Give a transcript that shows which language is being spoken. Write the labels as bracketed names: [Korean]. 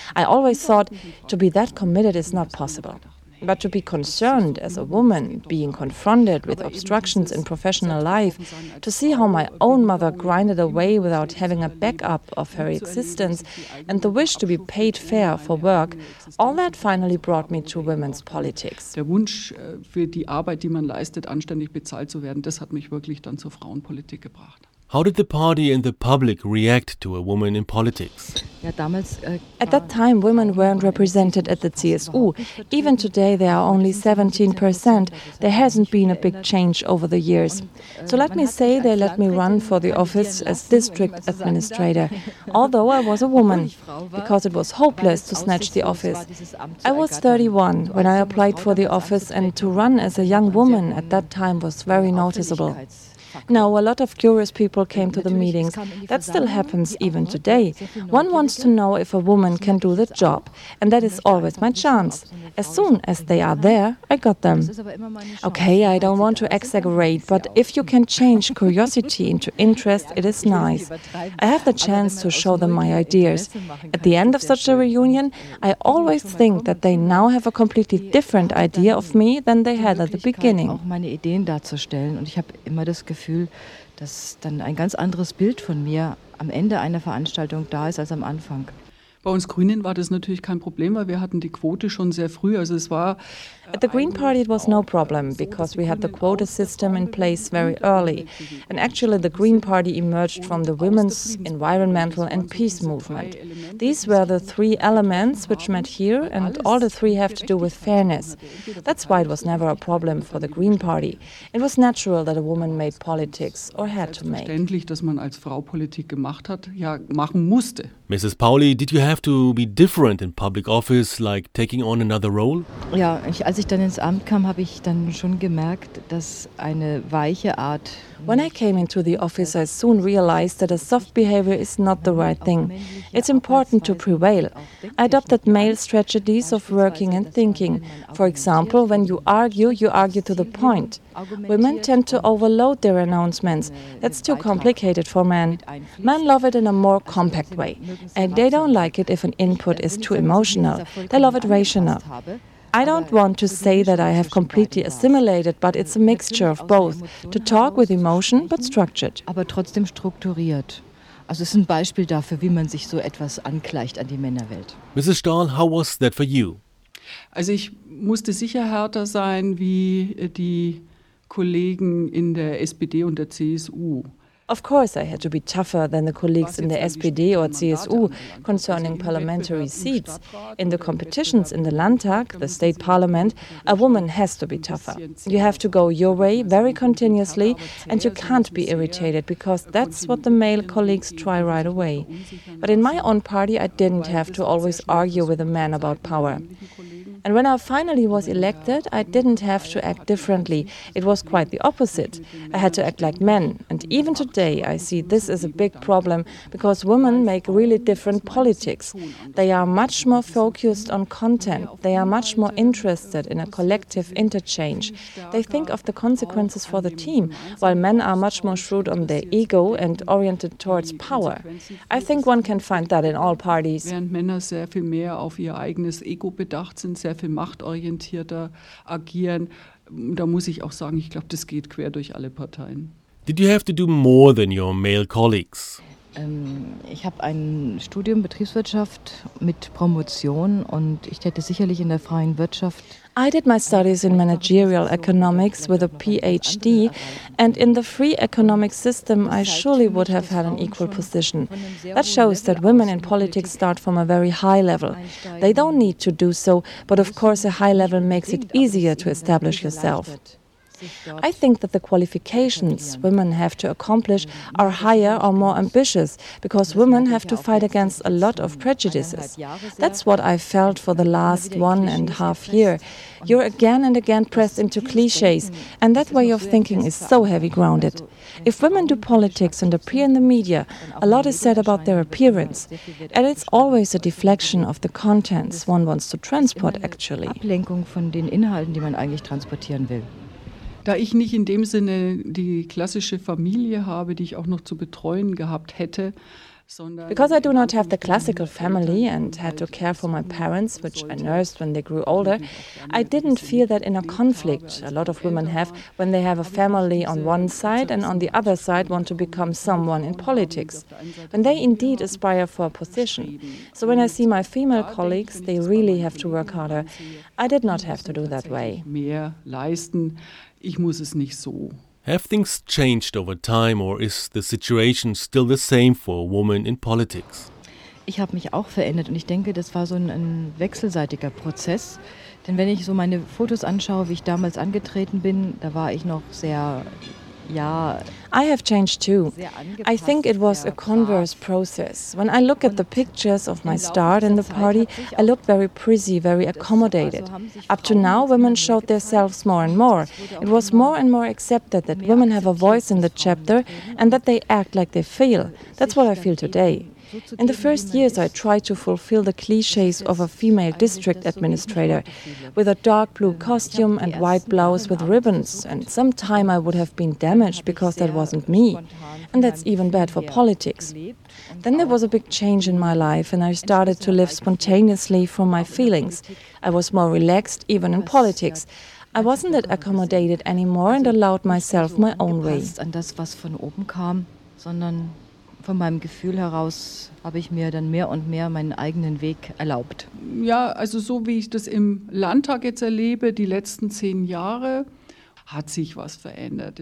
[English] I always thought, to be that committed is not possible. But to be concerned as a woman, being confronted with obstructions in professional life, to see how my own mother grinded away without having a backup of her existence, and the wish to be paid fair for work, all that finally brought me to women's politics. [German] Der Wunsch für die Arbeit, die man leistet, anständig bezahlt zu werden, das hat mich wirklich dann zur Frauenpolitik gebracht. [English] How did the party and the public react to a woman in politics? At that time, women weren't represented at the CSU. Even today, there are only 17%. There hasn't been a big change over the years. So let me say they let me run for the office as district administrator, although I was a woman, because it was hopeless to snatch the office. I was 31 when I applied for the office, and to run as a young woman at that time was very noticeable. Now, a lot of curious people came to the meetings. That still happens even today. One wants to know if a woman can do the job, and that is always my chance. As soon as they are there, I got them. Okay, I don't want to exaggerate, but if you can change curiosity into interest, it is nice. I have the chance to show them my ideas. At the end of such a reunion, I always think that they now have a completely different idea of me than they had at the beginning. [German] Auch meine Ideen darzustellen, und ich habe immer das Gefühl, Gefühl, dass dann ein ganz anderes Bild von mir am Ende einer Veranstaltung da ist als am Anfang. Bei uns Grünen war das natürlich kein Problem, weil wir hatten die Quote schon sehr früh. Also es war [English] at the Green Party it was no problem because we had the quota system in place very early. And actually the Green Party emerged from the women's, environmental and peace movement. These were the three elements which met here and all the three have to do with fairness. That's why it was never a problem for the Green Party. It was natural that a woman made politics or had to make. [German] Selbstverständlich, dass man als Frau Politik gemacht hat, ja, machen musste. [English] Mrs. Pauli, did you have to be different in public office, like taking on another role? [German] Ja, als ich dann ins Amt kam, habe ich dann schon gemerkt, dass eine weiche Art. [English] When I came into the office, I soon realized that a soft behavior is not the right thing. It's important to prevail. I adopted male strategies of working and thinking. For example, when you argue to the point. Women tend to overload their announcements. That's too complicated for men. Men love it in a more compact way. And they don't like it if an input is too emotional. They love it rational. I don't want to say that I have completely assimilated, but it's a mixture of both. To talk with emotion, but structured. [German] Aber trotzdem strukturiert. Also es ist ein Beispiel dafür, wie man sich so etwas angleicht an die Männerwelt. [English] Mrs. Stahl, how was that for you? [German] Also ich musste sicher härter sein wie die Kollegen in der SPD und der CSU. [English] Of course I had to be tougher than the colleagues in the SPD or CSU concerning parliamentary seats. In the competitions in the Landtag, the state parliament, a woman has to be tougher. You have to go your way very continuously and you can't be irritated because that's what the male colleagues try right away. But in my own party I didn't have to always argue with a man about power. And when I finally was elected, I didn't have to act differently. It was quite the opposite. I had to act like men. And even today, I see this as a big problem because women make really different politics. They are much more focused on content. They are much more interested in a collective interchange. They think of the consequences for the team, while men are much more shrewd on their ego and oriented towards power. I think one can find that in all parties. [German] Während Männer sehr viel mehr auf ihr eigenes Ego bedacht sind, sehr viel machtorientierter agieren. Da muss ich auch sagen, ich glaube, das geht quer durch alle Parteien. [English] Did you have to do more than your male colleagues? [German] Ich habe ein Studium Betriebswirtschaft mit Promotion und ich hätte sicherlich in der freien Wirtschaft. [English] I did my studies in managerial economics with a PhD, and in the free economic system, I surely would have had an equal position. That shows that women in politics start from a very high level. They don't need to do so, but of course, a high level makes it easier to establish yourself. I think that the qualifications women have to accomplish are higher or more ambitious because women have to fight against a lot of prejudices. That's what I felt for the last 1.5 years. You're again and again pressed into clichés, and that way of thinking is so heavy grounded. If women do politics and appear in the media, a lot is said about their appearance, and it's always a deflection of the contents one wants to transport, actually. [German] Ablenkung von den Inhalten, die man eigentlich transportieren will. Da ich nicht in dem Sinne die klassische Familie habe, die ich auch noch zu betreuen gehabt hätte, [English] because I do not have the classical family and had to care for my parents, which I nursed when they grew older, I didn't feel that inner conflict a lot of women have when they have a family on one side and on the other side want to become someone in politics, when they indeed aspire for a position. So when I see my female colleagues, they really have to work harder. I did not have to do that way. [German] Mehr leisten. Ich muss es nicht so. [English] Have things changed over time or is the situation still the same for a woman in politics? [German] Ich habe mich auch verändert und ich denke, das war so ein wechselseitiger Prozess. Denn wenn ich so meine Fotos anschaue, wie ich damals angetreten bin, da war ich noch sehr, ja. [English] I have changed too. I think it was a converse process. When I look at the pictures of my start in the party, I looked very prissy, very accommodated. Up to now, women showed themselves more and more. It was more and more accepted that women have a voice in the chapter and that they act like they feel. That's what I feel today. In the first years, I tried to fulfill the clichés of a female district administrator with a dark blue costume and white blouse with ribbons, and sometime I would have been damaged because that wasn't me. And that's even bad for politics. Then there was a big change in my life and I started to live spontaneously from my feelings. I was more relaxed even in politics. I wasn't that accommodated anymore and allowed myself my own way. [German] An das, was von oben kam, sondern von meinem Gefühl heraus habe ich mir dann mehr und mehr meinen eigenen Weg erlaubt. Ja, also so wie ich das im Landtag jetzt erlebe, die letzten 10 Jahre, hat sich was verändert.